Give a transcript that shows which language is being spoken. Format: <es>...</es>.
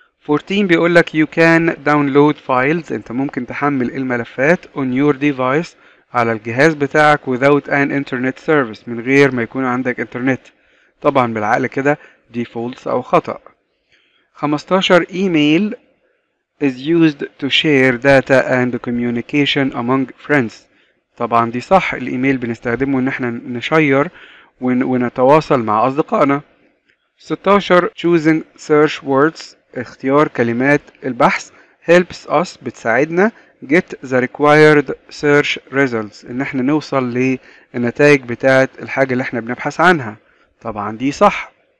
<ar>14 بيقول لك</ar> <en>you can download files،</en> <ar>انت ممكن تحمل الملفات</ar> <en>on your device</en> <ar>على الجهاز بتاعك</ar> <en>without an internet service،</en> <ar>من غير ما يكون عندك انترنت. طبعا بالعقل كده دي false أو خطأ.</ar> <en>15 email is used to share data and communication among friends،</en> <ar>طبعا دي صح، الايميل بنستخدمه ان احنا نشير ونتواصل مع اصدقائنا. 16</ar> <en>choosing search words،</en> <ar>اختيار كلمات البحث،</ar> <en>helps us،</en> <ar>بتساعدنا</ar> <en>get the required search results،</en> <ar>ان احنا نوصل للنتائج بتاعت الحاجة اللي احنا بنبحث عنها. طبعا دي صح.</ar>